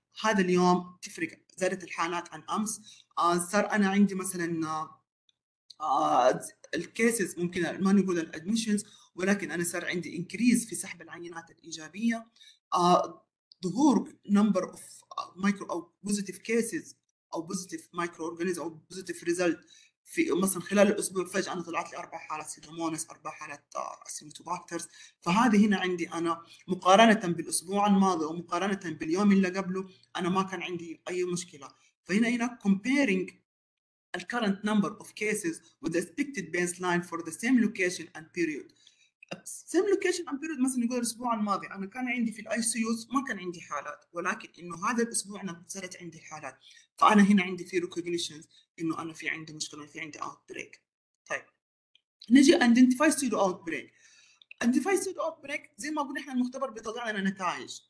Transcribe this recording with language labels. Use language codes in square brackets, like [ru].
[ar] هذا اليوم تفرق، زادت الحالات عن امس، صار انا عندي مثلا الكيسز، ممكن ما نقول الادميشنز، ولكن انا صار عندي انكريز في سحب العينات الايجابيه، ظهور نمبر اوف مايكرو او بوزيتيف كيسز او بوزيتيف مايكرو اورجانيزم او بوزيتيف ريزلت في مثلا خلال الاسبوع. فجاه انا طلعت لي اربع حالات سيدومونس، اربع حالات سيمتوباكترز، فهذه هنا عندي انا مقارنه بالاسبوع الماضي ومقارنه باليوم اللي قبله انا ما كان عندي اي مشكله. فهنا [en] comparing the current number of cases with the expected baseline for the same location and period. Same location and period [ar] مثلا نقول الاسبوع الماضي انا كان عندي في الاي سي يو ما كان عندي حالات، ولكن انه هذا الاسبوع انا صارت عندي حالات، فانا هنا عندي في recognition انه انا في عندي مشكله، في عندي اوت بريك. طيب نجي ايدنتيفاي سيدو اوت بريك. ايدنتيفاي سيدو اوت بريك زي ما قلنا احنا المختبر بيطلع لنا نتائج.